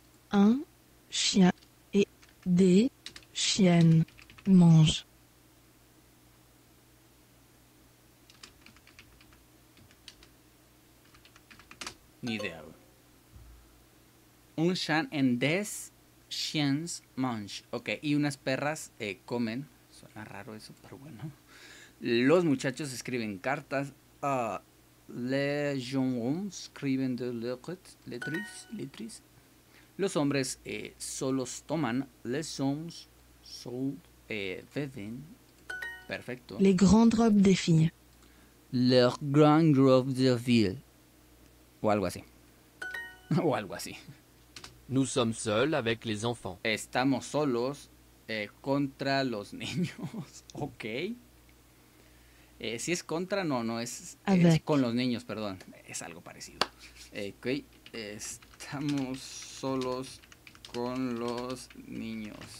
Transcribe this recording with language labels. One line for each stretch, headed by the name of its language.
French: Un chien et des chiennes mangent.
Spanish: Ni idea.
French: Un chien et des chiens mangent.
Spanish: Ok, y unas perras comen. Suena raro eso, pero bueno. Los muchachos escriben cartas.
French: Les jeunes hommes
Spanish: escriben
French: de lettres. Lettres.
Spanish: Los hombres solos toman,
French: les hommes seuls
Spanish: beben. Perfecto.
French: Les grandes robes des filles. Les grandes robes des filles.
Spanish: O algo así. O algo así.
French: Nous sommes seuls avec les enfants.
Spanish: Estamos solos contra los niños. Ok. Si es contra, no es, es con los niños, perdón. Es algo parecido. Ok. Estamos solos con los niños.